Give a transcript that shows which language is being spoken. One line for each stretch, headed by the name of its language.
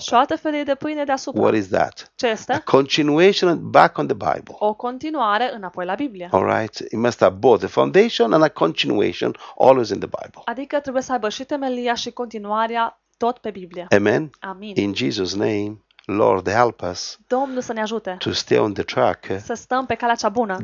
Romanian: Și o altă felie de pâine deasupra.
English: What is that?
Romanian: Ce este?
English: A continuation back on the Bible.
Romanian: O continuare înapoi la Biblia.
English: All right. It must have both the foundation and a continuation always in the Bible.
Romanian: Adică trebuie să aibă și temelia și continuarea tot pe Biblia.
English: Amen.
Romanian: Amin.
English: In Jesus' name. Lord, help us.
Romanian: Domnul să ne ajute.
English: To stay on the track.
Romanian: Să stăm pe calea cea bună.